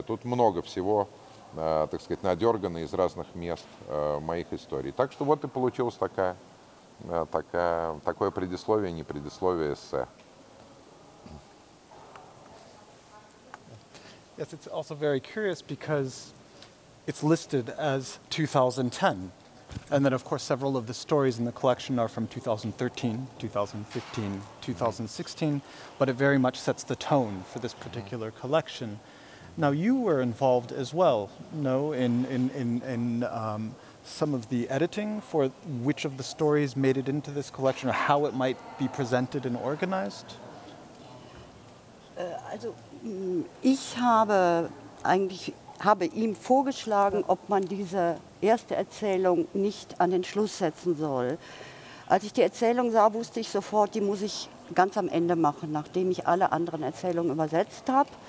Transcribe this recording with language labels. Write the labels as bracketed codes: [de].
[ru] Тут много всего, так сказать, надергано из разных мест моих историй. Так что вот и получилось такое предисловие, не предисловие, эссе. [en] Yes, it's also very curious because it's listed as 2010. And then, of course, several of the stories in the collection are from 2013, 2015, 2016, but it very much sets the tone for this particular collection. Now, you were involved as well, no, in some of the editing for which of the stories made it into this collection or how it might be presented and organized? [de] Also, ich habe eigentlich, habe ihm vorgeschlagen, ob man diese erste Erzählung nicht an den Schluss setzen soll. Als ich die Erzählung sah, wusste ich sofort, die muss ich ganz am Ende machen, nachdem ich alle anderen Erzählungen übersetzt habe.